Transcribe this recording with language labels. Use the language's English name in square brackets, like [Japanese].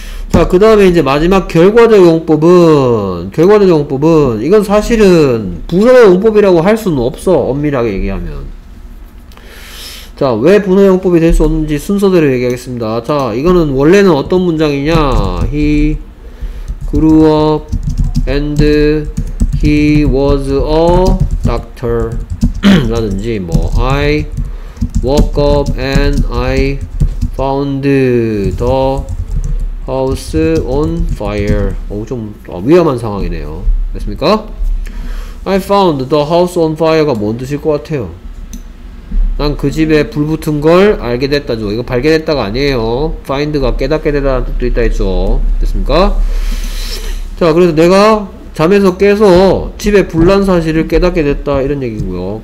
[Korean] 자, 그 다음에 이제 마지막 결과적용법은 이건 사실은 부사용법이라고 할 수는 없어. 엄밀하게 얘기하면. 자, 왜 부사용법이 될 수 없는지 순서대로 얘기하겠습니다. 자, 이거는 원래는 어떤 문장이냐. [English] He grew up and he was a doctor [Korean] 라든지 뭐 [English] I woke up and I found the house on fire. [Korean] 오, 좀 위험한 상황이네요. 됐습니까? [English] I found the house on fire [Korean] 가 뭔 뜻일 것 같아요? 난 그 집에 불 붙은 걸 알게 됐다죠. 이거 발견했다가 아니에요. find가 깨닫게 되다는 뜻도 있다 했죠. 됐습니까? 자, 그래서 내가 잠에서 깨서 집에 불난 사실을 깨닫게 됐다 이런 얘기고요.